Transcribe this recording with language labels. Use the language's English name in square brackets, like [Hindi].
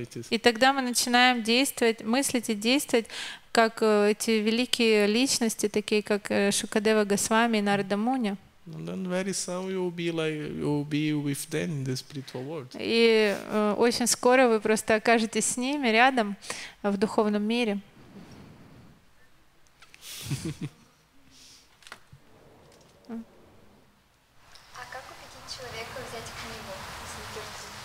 [Russian] И тогда мы начинаем действовать, мыслить и действовать как эти великие личности, такие как Шукадева Госвами и Нарада Муни. [English] And then very soon you will be with them in the spiritual world. [Russian] И очень скоро вы просто окажетесь с ними рядом в духовном мире. А как убедить человека взять книгу Санкиртан?